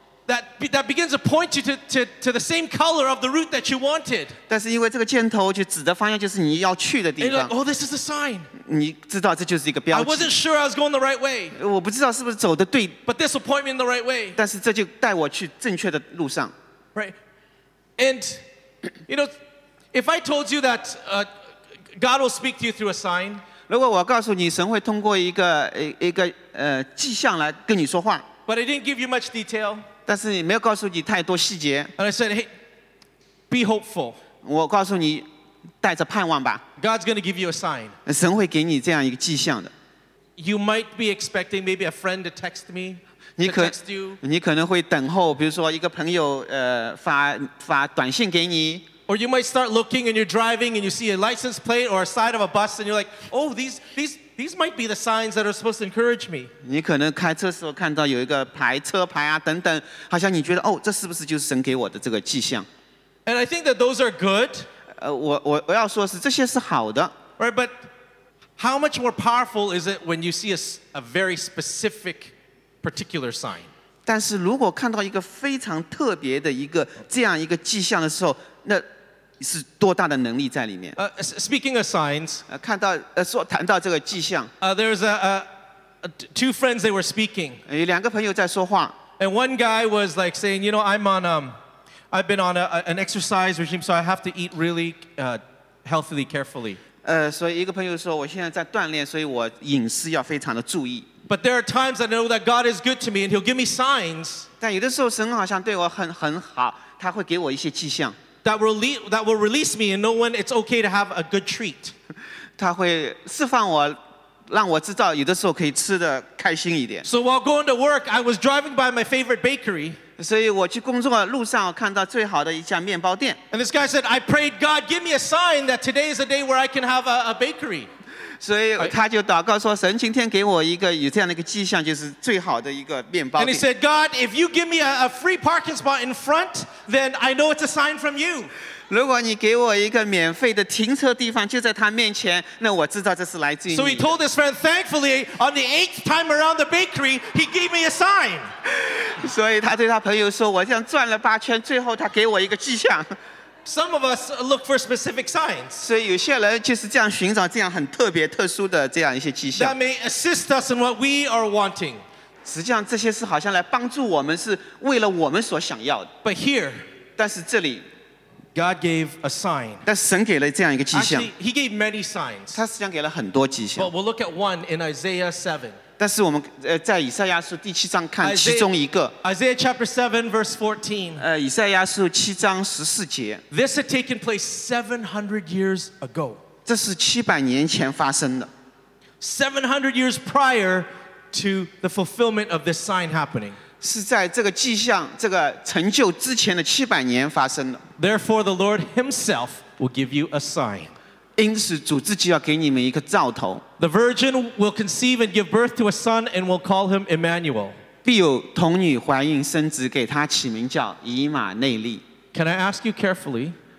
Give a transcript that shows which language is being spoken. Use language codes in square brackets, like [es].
[en] That begins to point you to the same color of the route that you wanted. [zh] 但是因为这个箭头就指的方向就是你要去的地方。 [en] And you're like, oh, this is a sign. [zh] 你知道这就是一个标记。 [en] I wasn't sure I was going the right way. [zh] 我不知道是不是走的对。 [en] But this will point me in the right way. [zh] 但是这就带我去正确的路上。 [en] Right. And, you know, if I told you that God will speak to you through a sign, [zh] 如果我告诉你神会通过一个迹象来跟你说话 [en] But I didn't give you much detail [zh] 但是没有告诉你太多细节 [en] And I said, hey, be hopeful [zh] 我告诉你带着盼望吧 [en] God's going to give you a sign [zh] 神会给你这样一个迹象的 [en] You might be expecting maybe a friend to text me [zh] 你可能会等候比如说一个朋友发短信给你 [en] Or you might start looking and you're driving and you see a license plate or a side of a bus and you're like, oh, these might be the signs that are supposed to encourage me. [zh] 你可能开车时候看到有一个牌车牌啊等等，好像你觉得哦，这是不是就是神给我的这个迹象？ [en] And I think that those are good. [zh] 我要说是这些是好的。 [en] Right, but how much more powerful is it when you see a very specific particular sign? [zh] 但是如果看到一个非常特别的一个这样一个迹象的时候，那是多大的能力在里面 [en] Speaking of signs [zh] 看到说谈到这个迹象 [en] There's two friends they were speaking [zh] 有两个朋友在说话 [en] And one guy was like saying You know I'm on I've been on an exercise regime So I have to eat really healthily carefully [zh] 所以一个朋友说我现在在锻炼所以我饮食要非常的注意 [en] But there are times I know that God is good to me And he'll give me signs [zh] 但有的时候神好像对我很好他会给我一些迹象 [en] That will release me and know when it's okay to have a good treat. [zh] 他会释放我，让我知道有的时候可以吃的开心一点。 [en] So while going to work, I was driving by my favorite bakery. [zh] 所以我去工作的路上，我看到最好的一家面包店。 [en] And this guy said, I prayed, God, give me a sign that today is a day where I can have a bakery. [zh] 所以他就祷告说，神今天给我一个有这样的一个迹象，就是最好的一个面包店。 [en] And he said, God, if you give me a free parking spot in front, then I know it's a sign from you. [zh] 如果你给我一个免费的停车地方就在他面前，那我知道这是来自于你。 [en] So he told his friend, thankfully, on the eighth time around the bakery, he gave me a sign. [zh] 所以他对他朋友说，我这样转了八圈，最后他给我一个迹象。 [en] Some of us look for specific signs. [zh] 所以有些人就是这样寻找这样很特别特殊的这样一些迹象。 [en] That may assist us in what we are wanting. [zh] 实际上这些是好像来帮助我们是为了我们所想要的。 [en] But here, [zh] 但是这里 [en] God gave a sign. [zh] 但神给了这样一个迹象。 [en] Actually, he gave many signs. [zh] 他实际上给了很多迹象。 [en] But we'll look at one in Isaiah 7. [zh] 但是我们在以赛亚书第七章看其中一个。 [en] Isaiah chapter 7 verse 14. [zh] 以赛亚书七章十四节。 [en] This had taken place 700 years ago. [zh] 这是七百年前发生的。 [en] 700 years prior to the fulfillment of this sign happening. [zh] 是在这个迹象这个成就之前的七百年发生的。 [en] Therefore, the Lord Himself will give you a sign. The virgin will conceive and give birth to a son and will call him Emmanuel. Can I ask you carefully?